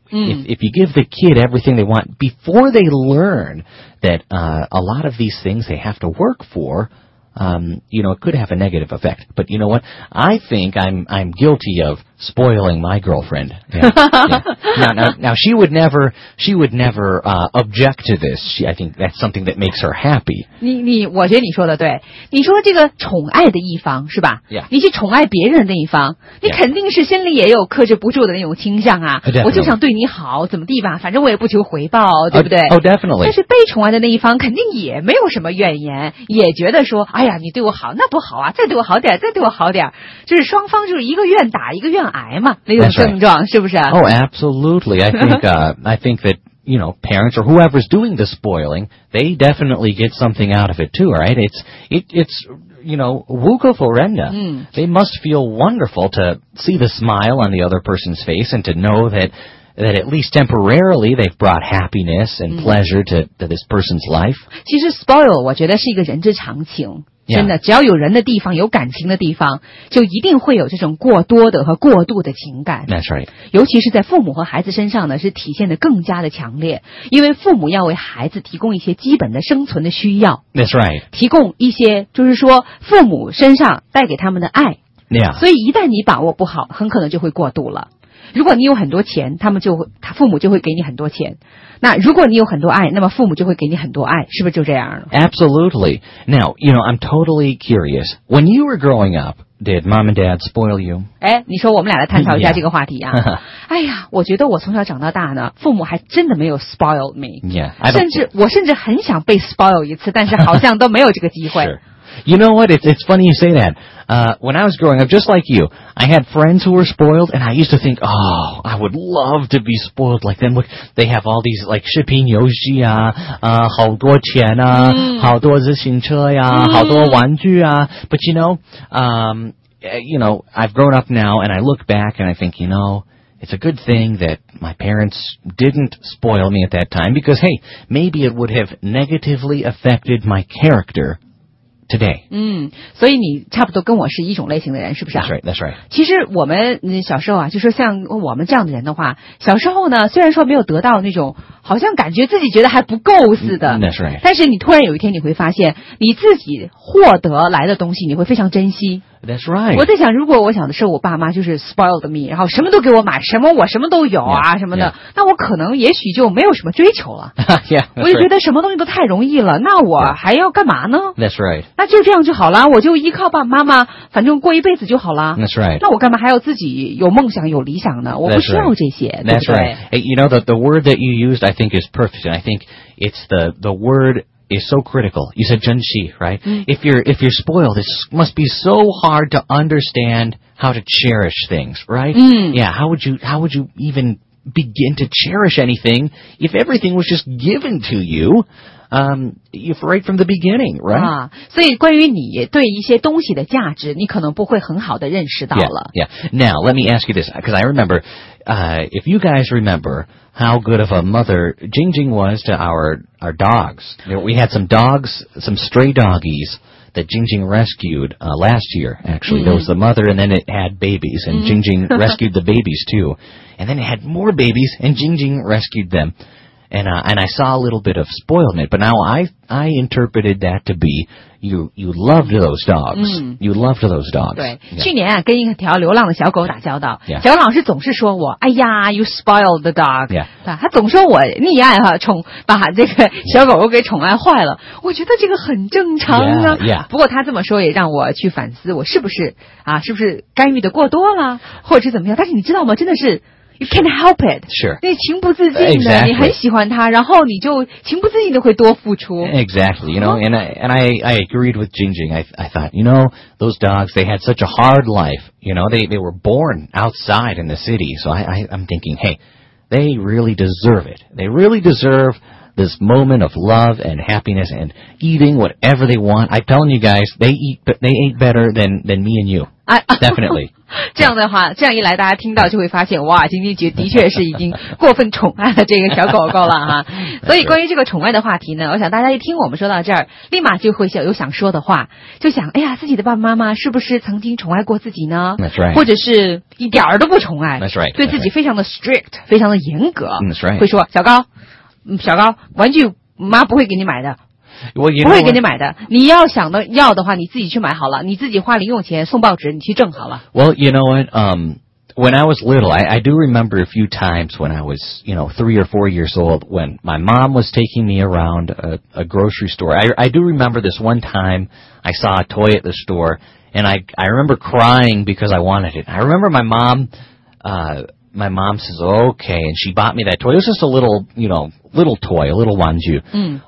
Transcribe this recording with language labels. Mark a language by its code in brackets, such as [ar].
[en] If you give the kid everything they want before they learn that, a lot of these things they have to work for, it could have a negative effect. But you know what? I think I'm guilty of spoiling my girlfriend. Now she would never, object to this. I think that's something that makes her happy. [zh] 你我觉得你说的对。你说这个宠爱的一方是吧？ [en] Yeah. [zh] 你去宠爱别人的那一方，你肯定是心里也有克制不住的那种倾向啊。 [en] Definitely. [zh] 我就想对你好，怎么地吧？反正我也不求回报，对不对？ [en] Oh, definitely. [zh] 但是被宠爱的那一方肯定也没有什么怨言，也觉得说，哎呀，你对我好，那不好啊，再对我好点，再对我好点，就是双方就是一个愿打，一个愿挨嘛，那种症状、 [en] right. [zh] 是不是？ [en] Oh, absolutely. I think that you know, parents or whoever's doing the spoiling, they definitely get something out of it too, right? It's you know, wuka forenda. Mm. They must feel wonderful to see the smile on the other person's face and to know that at least temporarily they've brought happiness and pleasure to this person's life. [zh] 其实 spoil 我觉得是一个人之常情。 [en] Yeah. [zh] 真的，只要有人的地方，有感情的地方，就一定会有这种过多的和过度的情感。 [en] That's right. [zh] 尤其是在父母和孩子身上呢，是体现得更加的强烈。因为父母要为孩子提供一些基本的生存的需要。 [en] That's right. [zh] 提供一些，就是说父母身上带给他们的爱。 [en] Yeah. [zh] 所以一旦你把握不好，很可能就会过度了。如果你有很多钱，他父母就会给你很多钱。那如果你有很多爱，那么父母就会给你很多爱，是不是就这样了？ [en] Absolutely. Now, you know, I'm totally curious. When you were growing up, did mom and dad spoil you? [zh] 哎，你说我们俩来探讨一下这个话题啊。 [en] Yeah. [zh] 哎呀，我觉得我从小长到大呢，父母还真的没有 [en] spoil me. Yeah. [zh] 甚至很想被 spoil 一次，但是好像都没有这个机会。 [en] Sure. You know what? It's funny you say that. When I was growing up, just like you, I had friends who were spoiled, and I used to think, oh, I would love to be spoiled like them. Look, they have all these, like, [zh] 视频游戏啊，好多钱啊，好多自行车呀，好多玩具啊。 [en] But you know, I've grown up now, and I look back, and I think, you know... It's a good thing that my parents didn't spoil me at that time because, hey, maybe it would have negatively affected my character today. [zh] 所以你差不多跟我是一种类型的人，是不是啊？ [en] That's right, that's right. [zh] 其实我们小时候啊，就是像我们这样的人的话，小时候呢，虽然说没有得到那种好像感觉自己觉得还不够似的。 [en] That's right. [zh] 但是你突然有一天你会发现，你自己获得来的东西你会非常珍惜。 [en] That's right. [zh] 我在想，如果我想的是我爸妈就是 [en] spoiled me, [zh] 然后什么都给我买，什么我什么都有啊 [en] yeah, [zh] 什么的， [en] yeah. [zh] 那我可能也许就没有什么追求了。 [en] yeah, [zh] 我就觉得什么东西都太容易了，那我还要干嘛呢？ [en] That's right. [zh] 那就这样就好了，我就依靠爸爸妈妈，反正过一辈子就好了。 [en] That's right. [zh] 那我干嘛还要自己有梦想有理想呢？我不需要这些。 [en] That's right. That's right. Hey, you know the word that you used, I think is perfect. I think it's the word. Is so critical. You said 珍惜, right? If you're spoiled, it must be so hard to understand how to cherish things, right? Yeah, how would you even begin to cherish anything if everything was just given to you? Right from the beginning, right? [zh] 啊，所以关于你对一些东西的价值，你可能不会很好的认识到了。 [en] Yeah, yeah. Now, let me ask you this, because I remember, if you guys remember how good of a mother Jing Jing was to our dogs. We had some dogs, some stray doggies. That Jing Jing rescued last year, actually. There was the mother, and then it had babies, and Jing Jing rescued the babies, too. And then it had more babies, and Jing Jing rescued them. And I saw a little bit of spoilment, but now I interpreted that to be... You loved those dogs.、You loved those dogs. [zh] 对、 [en] yeah. [zh] 去年、啊、跟一条流浪的小狗打交道、 [en] yeah. [zh] 小狗老师总是说我哎呀 [en] you spoiled the dog、 yeah. [zh] 他总说我溺爱、啊、宠把这个小狗狗给宠爱坏了、 [en] yeah. [zh] 我觉得这个很正常啊 [en] yeah, yeah. [zh] 不过他这么说也让我去反思我是不是啊是不是干预的过多了或者是怎么样但是你知道吗真的是 [en] You can't help it. Sure. [zh] 你情不自禁的、 [en] exactly. [zh] 你很喜欢他然后你就情不自禁的会多付出。 [en] Exactly. You know, and I agreed with Jing Jing. I thought, you know, those dogs, they had such a hard life. You know, they were born outside in the city. So I'm thinking, hey, they really deserve it. They really deserve this moment of love and happiness and eating whatever they want. I'm telling you guys, they ate better than me and you. Definitely. [zh] 这样的话这样一来大家听到就会发现哇晶晶的确是已经过分宠爱了这个小狗狗了哈。所以关于这个宠爱的话题呢我想大家一听我们说到这儿立马就会有想说的话就想哎呀自己的爸爸妈妈是不是曾经宠爱过自己呢 [en] That's right. [zh] 或者是一点儿都不宠爱 [en] That's right. [zh] 对自己非常的 strict, 非常的严格 [en] That's right. [zh] 会说小高玩具妈不会给你买的。 [en] Well, you know, [zh] 不会给你买的你要想的要的话你自己去买好了你自己花零用钱送报纸你去挣好了 [en] Well, you know what, when I was little, I do remember a few times when I was, you know, 3 or 4 years old when my mom was taking me around a grocery store. I do remember this one time I saw a toy at the store and I remember crying because I wanted it. I remember my mom says, okay, and she bought me that toy. It was just a little, you know, little toy, a little wanju.